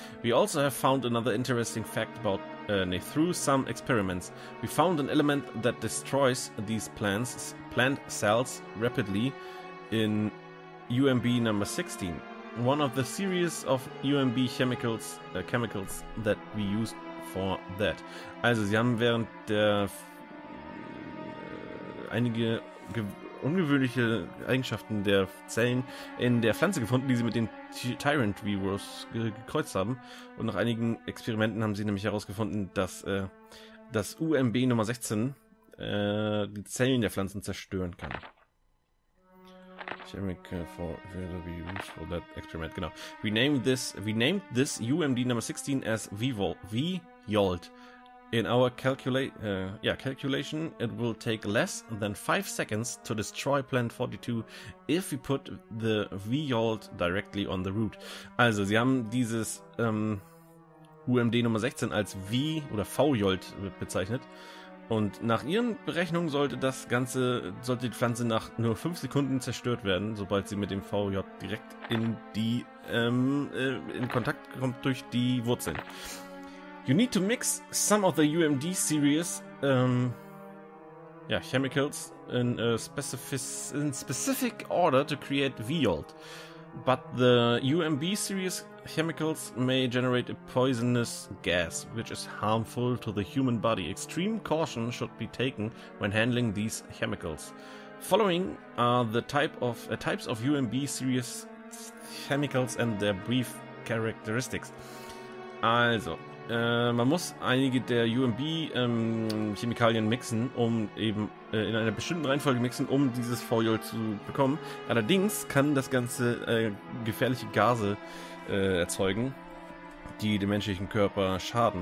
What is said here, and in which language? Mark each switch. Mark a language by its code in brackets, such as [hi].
[en] We also have found another interesting fact about through some experiments. We found an element that destroys these plant cells rapidly in UMB number 16, one of the series of UMB chemicals that we used for that. [de] Also, sie haben während der einige ungewöhnliche Eigenschaften der Zellen in der Pflanze gefunden, die sie mit den Tyrant Virus gekreuzt haben. Und nach einigen Experimenten haben sie nämlich herausgefunden, dass das UMB Nummer 16 die Zellen der Pflanzen zerstören kann. [en] Chemical for VW used for that experiment, genau. We named this UMD Nummer 16 as V-Yolt. In our calculation, it will take less than 5 seconds to destroy plant 42 if we put the V-Yolt directly on the root. [de] Also, sie haben dieses UMD Nummer 16 als V- oder V-Yolt bezeichnet. Und nach ihren Berechnungen sollte die Pflanze nach nur 5 Sekunden zerstört werden, sobald sie mit dem VJ direkt in Kontakt kommt durch die Wurzeln. [en] You need to mix some of the UMD series chemicals in specific order to create V-Yolt. But the UMB series chemicals may generate a poisonous gas, which is harmful to the human body. Extreme caution should be taken when handling these chemicals. Following are the types of UMB series chemicals and their brief characteristics. [de] Also, man muss einige der UMB Chemikalien mixen, um eben in einer bestimmten Reihenfolge mixen, um dieses V-Yolt zu bekommen. Allerdings kann das Ganze gefährliche Gase erzeugen, die dem menschlichen Körper schaden.